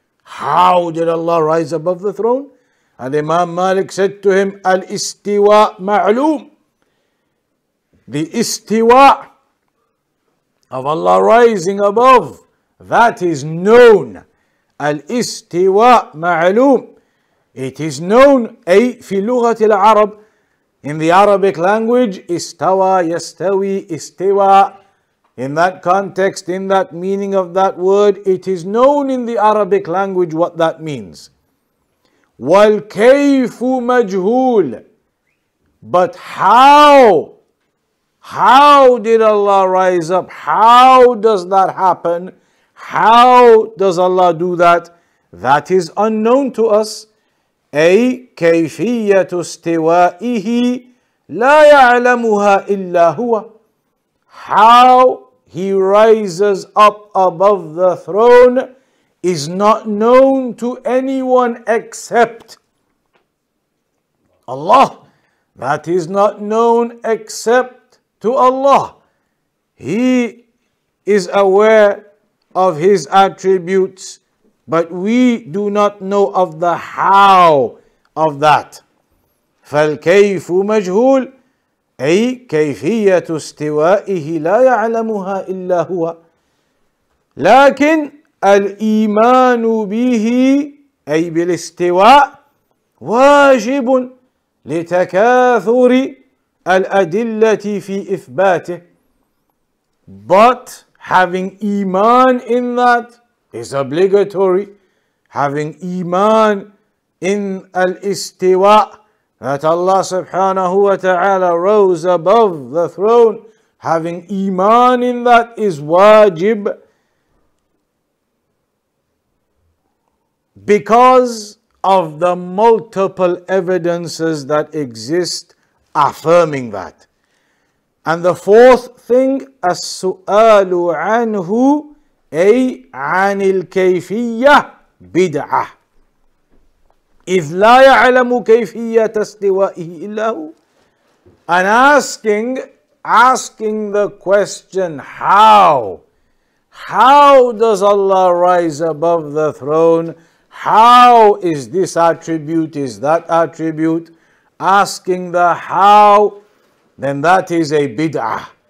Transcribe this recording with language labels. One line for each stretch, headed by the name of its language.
English: How did Allah rise above the throne? And Imam Malik said to him,
Arabic: Al-Istiwa Ma'loom.
English: The Istiwa of Allah rising above, that is known.
Arabic: Al-Istiwa Ma'loom.
English: It is known,
Arabic: أي في لغة العرب.
English: In the Arabic language, istawa, yastawi, istiwa. In that context, in that meaning of that word, it is known in the Arabic language what that means.
Arabic: Wal kayfu majhul.
English: But how did Allah rise up? How does that happen? How does Allah do that? That is unknown to us.
Arabic: أي كيفية استوائه لا يعلمها إلا هو.
English: How he rises up above the throne is not known to anyone except Allah. That is not known except to Allah. He is aware of his attributes. But we do not know of the how of that.
Arabic: فَالْكَيْفُ مَجْهُولٌ أي كَيْفِيَّةُ اسْتِوَائِهِ لَا يَعْلَمُهَا إِلَّا هُوَ. لكن الإيمان به أي بالاستواء واجب لتكاثر الأدلة في إثباته.
English: But having iman in that is obligatory. Having iman in al-istiwa, that Allah subhanahu wa ta'ala rose above the throne, having iman in that is wajib. Because of the multiple evidences that exist affirming that. And the fourth thing,
Arabic: as-su'alu anhu, ay anil kayfiyyah. Bid'ah. إِذْ لَا يَعْلَمُ كَيْفِيَّةَ اسْتِوَائِهِ إِلَّهُ.
English: And asking asking the question, how? How does Allah rise above the throne? How is this attribute, is that attribute? Asking the how, then that is a bid'ah.